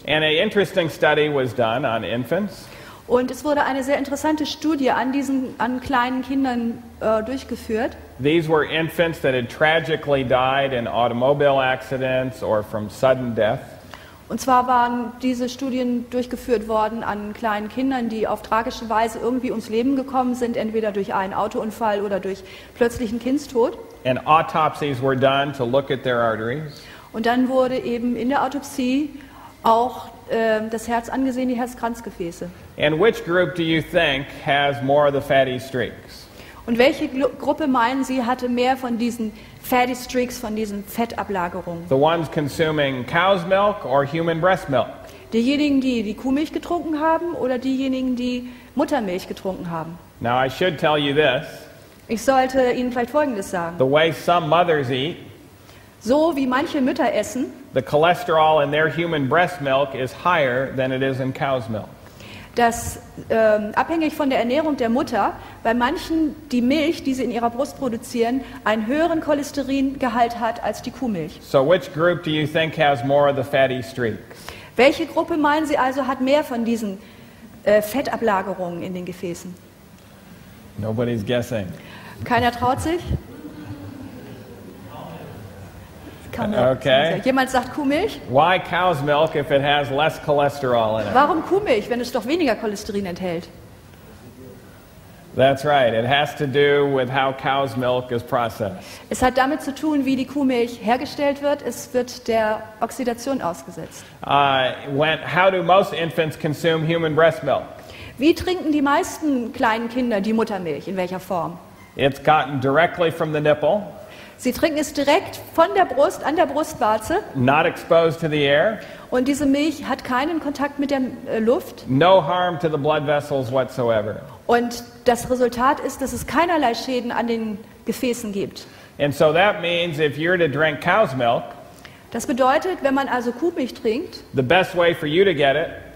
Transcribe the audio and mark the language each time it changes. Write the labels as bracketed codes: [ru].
[en] And an interesting study was done on infants. [de] Und es wurde eine sehr interessante Studie an diesen an kleinen Kindern durchgeführt. [en] These were infants that had tragically died in automobile accidents or from sudden death. [de] Und zwar waren diese Studien durchgeführt worden an kleinen Kindern, die auf tragische Weise irgendwie ums Leben gekommen sind, entweder durch einen Autounfall oder durch plötzlichen Kindstod. [en] And autopsies were done to look at their arteries. [de] Und dann wurde eben in der Autopsie auch das Herz angesehen, die Herzkranzgefäße. [en] And which group do you think has more of the fatty streaks? [de] Und welche Gruppe meinen Sie hatte mehr von diesen [en] fatty streaks, [de] von diesen Fettablagerungen? [en] The ones consuming cow's milk or human breast milk? [de] Diejenigen, die die Kuhmilch getrunken haben oder diejenigen, die Muttermilch getrunken haben? [en] Now I should tell you this. [de] Ich sollte Ihnen vielleicht Folgendes sagen. [en] The way some mothers eat. [de] So wie manche Mütter essen. [en] The cholesterol in their human breast milk is higher than it is in cow's milk. [de] Dass abhängig von der Ernährung der Mutter bei manchen die Milch, die sie in ihrer Brust produzieren, einen höheren Cholesteringehalt hat als die Kuhmilch. [en] So which group do you think has more of the fatty streaks? [de] Welche Gruppe meinen Sie also hat mehr von diesen Fettablagerungen in den Gefäßen? [en] Nobody's guessing. [de] Keiner traut sich. [en] Okay. [de] Jemand sagt Kuhmilch? [en] Why cow's milk if it has less cholesterol in it? [de] Warum Kuhmilch, wenn es doch weniger Cholesterin enthält? [en] That's right. It has to do with how cow's milk is processed. [de] Es hat damit zu tun, wie die Kuhmilch hergestellt wird. Es wird der Oxidation ausgesetzt. [en] How do most infants consume human breast milk? [de] Wie trinken die meisten kleinen Kinder die Muttermilch? In welcher Form? [en] It's gotten directly from the nipple. [de] Sie trinken es direkt von der Brust, an der Brustwarze. [en] Not exposed to the air. [de] Und diese Milch hat keinen Kontakt mit der Luft. [en] No harm to the blood vessels whatsoever. [de] Und das Resultat ist, dass es keinerlei Schäden an den Gefäßen gibt. [en] And so that means if you're to drink cow's milk, [de] das bedeutet, wenn man also Kuhmilch trinkt, [en] the best way for you to get it,